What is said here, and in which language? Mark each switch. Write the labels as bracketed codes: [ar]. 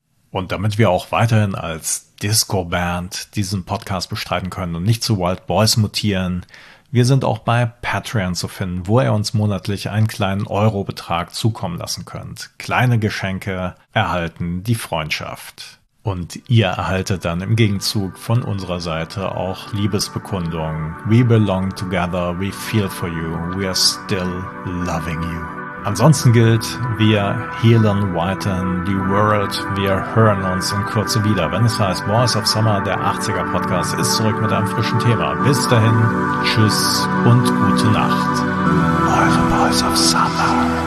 [de] Und damit wir auch weiterhin als Disco-Band diesen Podcast bestreiten können und nicht zu Wild Boys mutieren, wir sind auch bei Patreon zu finden, wo ihr uns monatlich einen kleinen Eurobetrag zukommen lassen könnt. Kleine Geschenke erhalten die Freundschaft. Und ihr erhaltet dann im Gegenzug von unserer Seite auch Liebesbekundungen. [en] We belong together, we feel for you, we are still loving you. [de] Ansonsten gilt, wir healen weiten the world, wir hören uns in Kürze wieder. Wenn es heißt Boys of Summer, der 80er Podcast ist zurück mit einem frischen Thema. Bis dahin, tschüss und gute Nacht. Eure Boys of Summer.